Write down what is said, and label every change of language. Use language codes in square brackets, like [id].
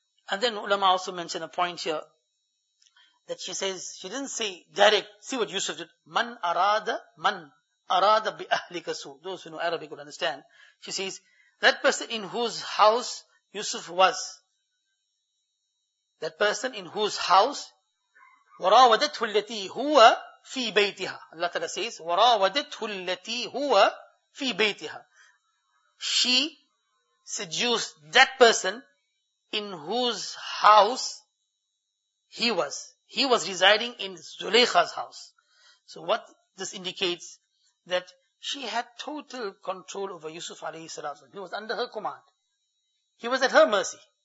[en] And then ulama also mentioned a point here, that she says, she didn't say direct, see what Yusuf did, [ar] man arada bi ahlika su, [en] those who know Arabic will understand. She says, that person in whose house Yusuf was, that person in whose house, [ar] وَرَاوَدَتْهُ الَّتِي هُوَ فِي بَيْتِهَا. Allah Ta'ala says, وَرَاوَدَتْهُ الَّتِي هُوَ فِي بَيْتِهَا. [en] She seduced that person in whose house he was. He was residing in Zulaikha's house. So what this indicates, that she had total control over Yusuf alayhi salam. He was under her command. He was at her mercy.